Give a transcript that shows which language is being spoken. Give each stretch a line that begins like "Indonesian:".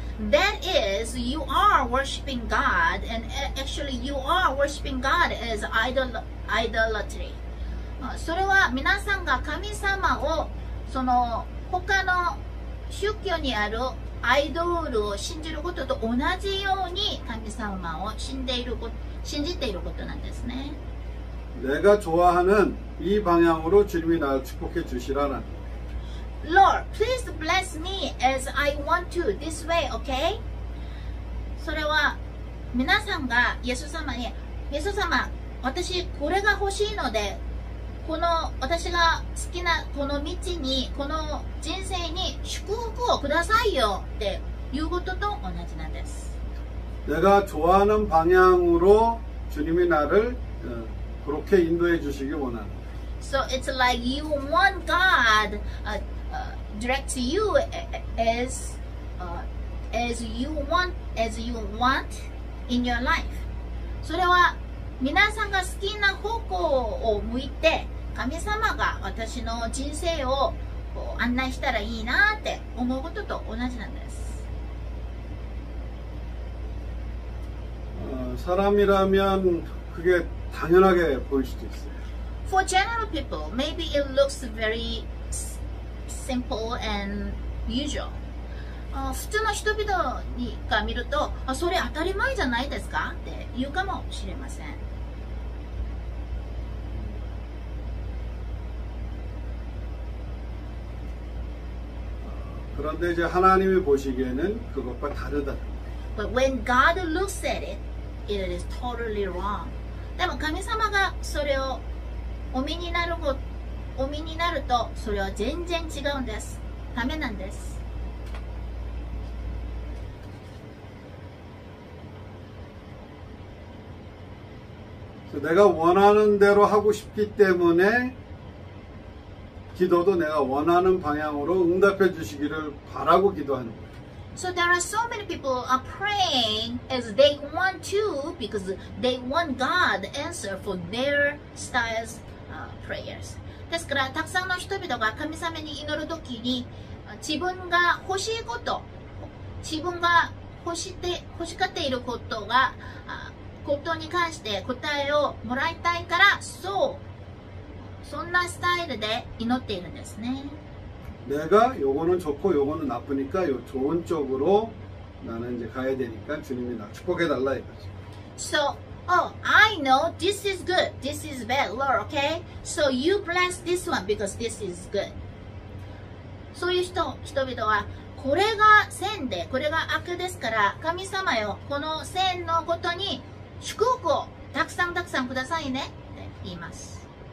English: That is, you are worshiping God, and actually you are worshiping God as idolatry.
Japanese: それは皆さんが神様をその他の宗教にあるアイドルを信じることと同じように神様を信じていることなんですね。
Korean: 내가좋아하는이방향으로주님이나를축복해주시라는
English: Lord, please bless me as I want to this way, okay?
Japanese: それは皆さんがイエス様に、イエス様、私これが欲しいので、この私が好きなこの道にこの人生に祝福をくださいよっていうことと同じなんです。
Korean: 내가좋아하는방향으로주님이나를그렇게인도해주시기원하는
English: So it's like you want God direct to you as you want in your life.
Japanese: それは皆さんが好きな方向を向いて神様が私の人生を案内したらいいなって思うことと同じなんです。
Korean: 사람이라면그게당연하게보일수도있어요。
English: For general people, maybe it looks very simple and usual.
Japanese: 普通の人々にが見ると、それ当たり前じゃないですかって言うかもしれません。
Korean: 그런데 이제 하나님이 보시기에는 그것과 다르다.
English: But when God looks at it, it is totally wrong.
Korean: 그럼
Japanese: 神様がそれをお見になると、それは全然違うんです。ダメなんです。
Korean: 내가원하는대로하고싶기때문에기도도내가원하는방향으로응답해주시기를바라고기도하는거예요
English: So there are so many people are praying as they want to because they want God answer for their styles prayers.
Japanese: ですからたくさんの人々が神様に祈るときに自分が欲しいこと、自分が欲しがっていることが本当に関して答えをもらいたいから、そう、そんなスタイルで祈っているんですね。
Korean: 내가요거는좋고요거는나쁘니까요좋은쪽으로나는이제가야되니까주님이나축복해달라이거지
English: So, oh, I know this is good, this is bad, Lord, okay? So you bless this one because this is good.
Japanese: そういう人々は。これが善で、これが悪ですから、神様よ、この善のことに祝福をたくさんたくさんくださいねって言います。